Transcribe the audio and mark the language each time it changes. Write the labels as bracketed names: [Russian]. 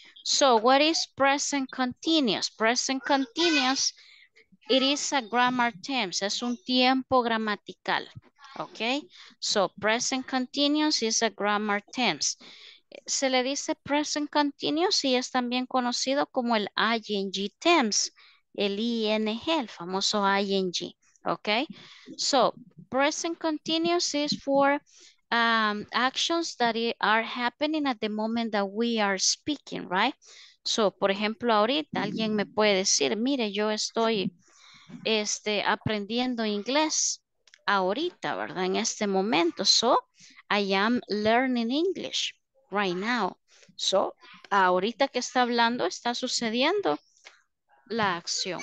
[English] So, what is present continuous? Present continuous, it is a grammar tense, [Spanish] es un tiempo gramatical, [English] okay? So, present continuous is a grammar tense. [Spanish] Se le dice present continuous y es también conocido como el ING tense, el ING, el famoso ING, okay? [English] So, present continuous is for actions that are happening at the moment that we are speaking, right? [Spanish] So, por ejemplo, ahorita alguien me puede decir, mire, yo estoy aprendiendo inglés ahorita, ¿verdad? En este momento. [English] So, I am learning English right now. [Spanish] So, ahorita que está hablando, está sucediendo la acción.